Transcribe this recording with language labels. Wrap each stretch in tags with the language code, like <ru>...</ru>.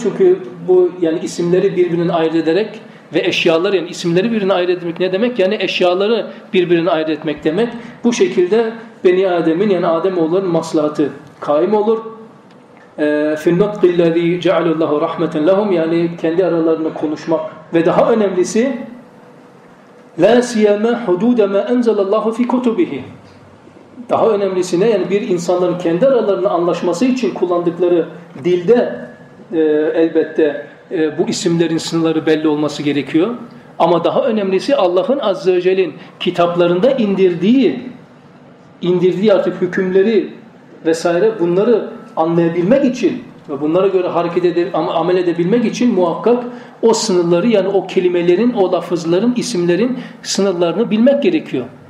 <tr>Çünkü bu, yani isimleri birbirinden ayırt ederek ve eşyaları, yani isimleri birbirine ayırt etmek ne demek? Yani eşyaları birbirine ayırt etmek demek. Bu şekilde Beni Adem'in, yani Ademoğlu'nun maslahatı kaim olur.</tr> <ar>فِي النَّطْقِ الَّذ۪ي جَعَلُ اللّٰهُ رَحْمَةً لَهُمْ.</ar> <tr>Yani kendi aralarında konuşmak. Ve daha önemlisi,</tr> <ar>لَا سِيَمَا حُدُودَ مَا أَنْزَلَ اللّٰهُ فِي كُتُبِهِ.</ar> <tr>Daha önemlisi ne? Yani bir insanların kendi aralarında anlaşması için kullandıkları dilde elbette bu isimlerin sınırları belli olması gerekiyor. Ama daha önemlisi Allah'ın Azze ve Celle'nin kitaplarında indirdiği artık hükümleri vesaire, bunları anlayabilmek için ve bunlara göre hareket amel edebilmek için muhakkak o sınırları, yani o kelimelerin, o lafızların, isimlerin sınırlarını bilmek gerekiyor.</tr>